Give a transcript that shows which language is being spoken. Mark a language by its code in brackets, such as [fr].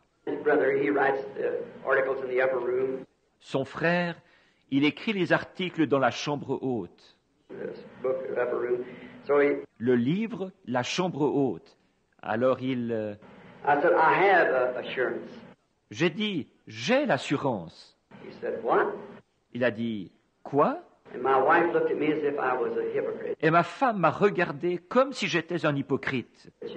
[en] His brother, he writes articles in the upper room. [fr] Son frère, il écrit les articles dans la chambre haute. [en] This book, the upper room. So he, [fr] le livre, la chambre haute. Alors il... [en] I said, I have assurance. [fr] J'ai dit, j'ai l'assurance. [en] He said, what? [fr] Il a dit, quoi? [en] And my wife looked at me as if I was a hypocrite. [fr] Et ma femme m'a regardé comme si j'étais un hypocrite.